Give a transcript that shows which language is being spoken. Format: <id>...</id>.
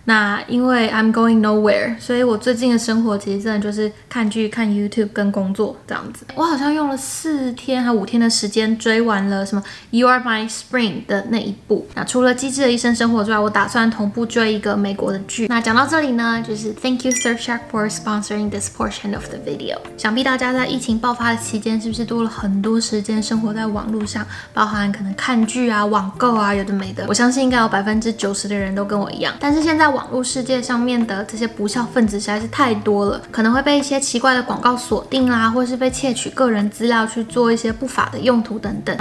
<zh>那因为</zh> <en>I'm going nowhere，</en> <zh>所以我最近的生活其实真的就是看剧、看 YouTube 跟工作这样子。我好像用了4天还5天的时间追完了什么 You Are My Spring 的那一部。那除了《机智的医生生活》之外，我打算同步追一个美国的剧。那讲到这里呢，就是</zh> <en>Thank you Surfshark for sponsoring this portion of the video。</en> <zh>想必大家在疫情爆发的期间，是不是多了很多时间生活在网络上，包含可能看剧啊、网购啊，有的没的。我相信应该有90%的人都跟我一样。但是现在网络世界上面的这些不孝分子实在是太多了，可能会被一些奇怪的广告锁定啦，或是被窃取个人资料去做一些不法的用途等等。</zh>